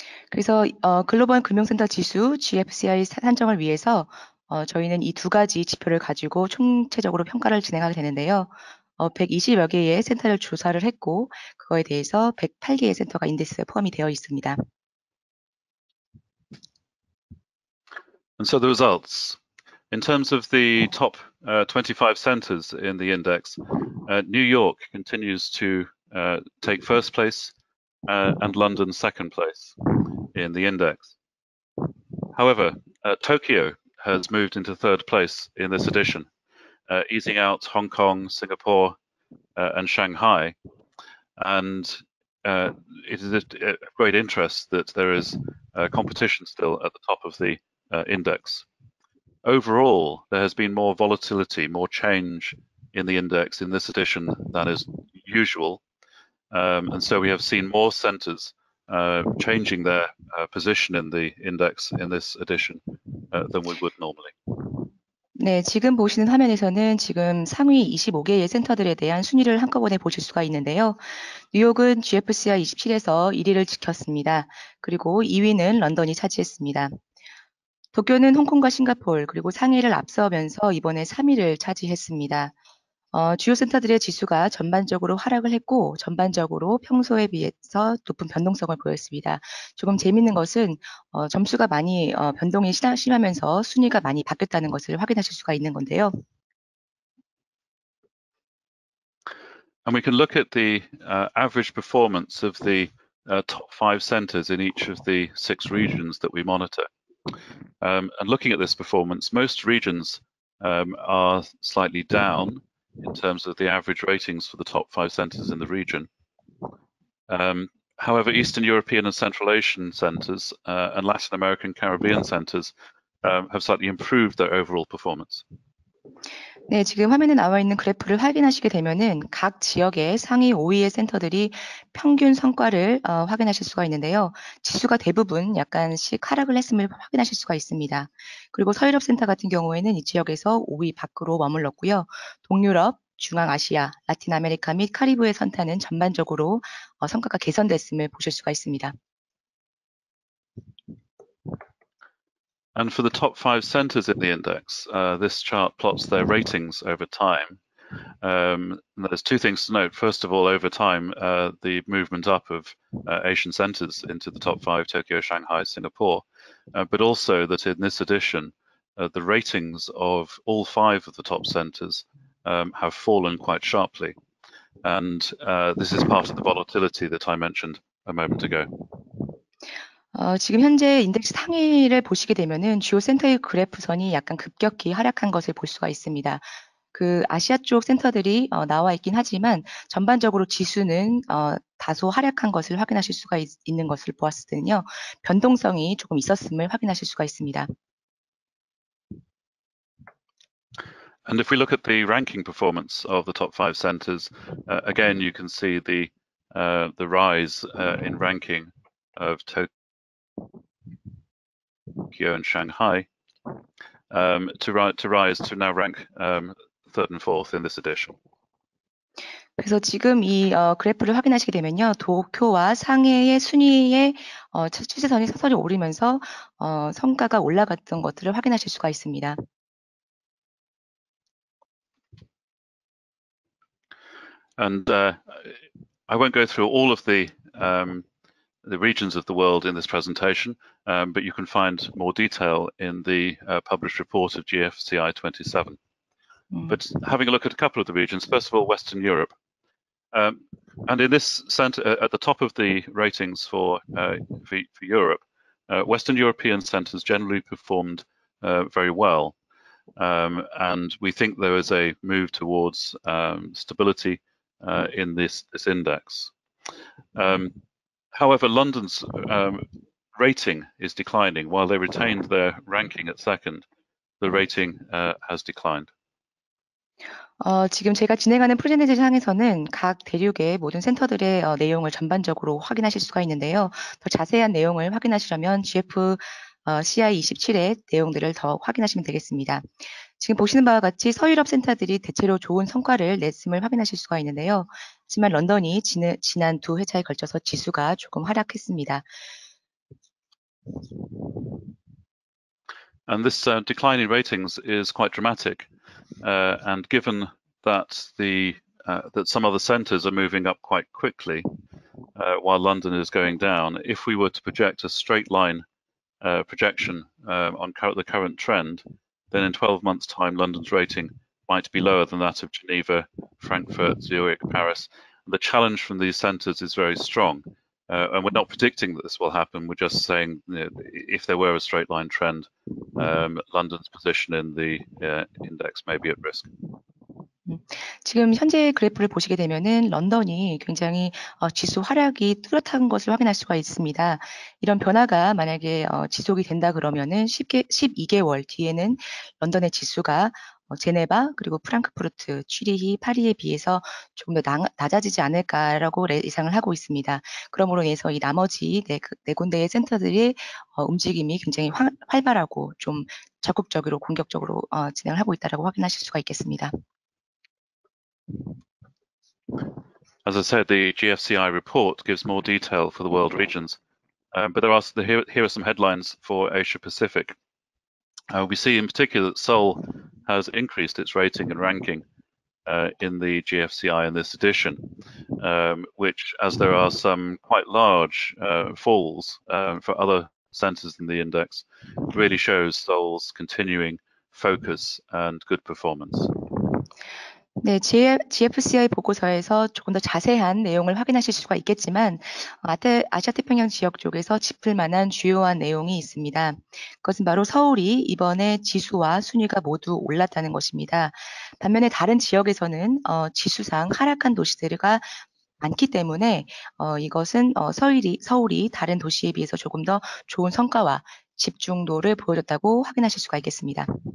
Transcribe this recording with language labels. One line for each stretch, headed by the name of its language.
Korean: 그래서 글로벌 금융센터 지수 GFCI 산정을 위해서 저희는 이 두 가지 지표를 가지고 총체적으로 평가를 진행하게 되는데요. 120여 개의 센터를 조사를 했고 그거에 대해서 108개의 센터가 인덱스에 포함이 되어 있습니다.
English: And so the results. In terms of the top 25 centers in the index, New York continues to take first place and London second place in the index. However, Tokyo has moved into third place in this edition, easing out Hong Kong, Singapore, and Shanghai. And it is of great interest that there is competition still at the top of the index. Overall, there has been more volatility, more change in the index in this edition than is usual. And so we have seen more centers changing their position in the index in this edition than we would normally.
Korean: 네, 지금 보시는 화면에서는 지금 상위 25개의 센터들에 대한 순위를 한꺼번에 보실 수가 있는데요. 뉴욕은 GFCI 27에서 1위를 지켰습니다. 그리고 2위는 런던이 차지했습니다. 도쿄는 홍콩과 싱가포르 그리고 상해를 앞서면서 이번에 3위를 차지했습니다. 주요 센터들의 지수가 전반적으로 하락을 했고 전반적으로 평소에 비해서 높은 변동성을 보였습니다. 조금 재미있는 것은 점수가 많이 변동이 심하면서 순위가 많이 바뀌었다는 것을 확인하실 수가 있는 건데요.
English: And we can look at the average performance of the top five centers in each of the six regions that we monitor. And looking at this performance, most regions are slightly down in terms of the average ratings for the top five centers in the region. However, Eastern European and Central Asian centers and Latin American Caribbean centers have slightly improved their overall performance.
Korean: 네, 지금 화면에 나와 있는 그래프를 확인하시게 되면은 각 지역의 상위 5위의 센터들이 평균 성과를 확인하실 수가 있는데요. 지수가 대부분 약간씩 하락을 했음을 확인하실 수가 있습니다. 그리고 서유럽 센터 같은 경우에는 이 지역에서 5위 밖으로 머물렀고요. 동유럽, 중앙아시아, 라틴 아메리카 및 카리브해 센터는 전반적으로 성과가 개선됐음을 보실 수가 있습니다.
English: And for the top five centers in the index, this chart plots their ratings over time. There's two things to note. First of all, over time, the movement up of Asian centers into the top five, Tokyo, Shanghai, Singapore, but also that in this edition, the ratings of all five of the top centers have fallen quite sharply. And this is part of the volatility that I mentioned a moment ago.
Korean: 지금 현재 인덱스 상위를 보시게 되면은 주요 센터의 그래프 선이 약간 급격히 하락한 것을 볼 수가 있습니다. 그 아시아 쪽 센터들이 나와 있긴 하지만 전반적으로 지수는 다소 하락한 것을 확인하실 수가 있는 것을 보았을 때는요. 변동성이 조금 있었음을 확인하실 수가 있습니다.
English: And if we look at the ranking performance of the top five centers, again you can see the rise in ranking of Tokyo and Shanghai to rise to now rank third and fourth in this edition.
Korean: 그래서 지금 이 그래프를 확인하시게 되면요, 도쿄와 상해의 순위의 추세선이 서서히 오르면서 성과가 올라갔던 것들을 확인하실 수가 있습니다.
English: And I won't go through all of the regions of the world in this presentation, but you can find more detail in the published report of GFCI 27. But having a look at a couple of the regions, first of all, Western Europe. And in this center, at the top of the ratings for Europe, Western European centers generally performed very well. And we think there is a move towards stability in this index. However, London's rating is declining. While they retained their ranking at second, the rating has declined.
Korean: 지금 제가 진행하는 프레젠테이션에서는 각 대륙의 모든 센터들의 내용을 전반적으로 확인하실 수가 있는데요. 더 자세한 내용을 확인하시려면 GFCI 27의 내용들을 더 확인하시면 되겠습니다. 지금 보시는 바와 같이 서유럽 센터들이 대체로 좋은 성과를 냈음을 확인하실 수가 있는데요. 하지만 런던이 지난 두 회차에 걸쳐서 지수가 조금 하락했습니다.
English: And this decline in ratings is quite dramatic. And given that that some other centers are moving up quite quickly, while London is going down, if we were to project a straight line projection on the current trend, then in 12 months' time, London's rating might be lower than that of Geneva, Frankfurt, Zurich, Paris. And the challenge from these centers is very strong. And we're not predicting that this will happen. We're just saying, you know, if there were a straight line trend, London's position in the index may be at risk.
Korean: 지금 현재 그래프를 보시게 되면은 런던이 굉장히 지수 하락이 뚜렷한 것을 확인할 수가 있습니다. 이런 변화가 만약에 지속이 된다 그러면은 12개월 뒤에는 런던의 지수가 제네바 그리고 프랑크푸르트, 취리히, 파리에 비해서 조금 더 낮아지지 않을까라고 예상을 하고 있습니다. 그러므로 인해서 이 나머지 네 군데의 센터들의 움직임이 굉장히 활발하고 좀 적극적으로 공격적으로 진행을 하고 있다라고 확인하실 수가 있겠습니다.
English: As I said, the GFCI report gives more detail for the world regions, but there are here are some headlines for Asia Pacific. We see in particular that Seoul has increased its rating and ranking in the GFCI in this edition, which, as there are some quite large falls for other centres in the index, really shows Seoul's continuing focus and good performance.
Korean: 네, GFCI 보고서에서 조금 더 자세한 내용을 확인하실 수가 있겠지만 아시아 태평양 지역 쪽에서 짚을 만한 주요한 내용이 있습니다. 그것은 바로 서울이 이번에 지수와 순위가 모두 올랐다는 것입니다. 반면에 다른 지역에서는 지수상 하락한 도시들과 많기 때문에 이것은 서울이 다른 도시에 비해서 조금 더 좋은 성과와 집중도를 보여줬다고 확인하실 수가 있겠습니다.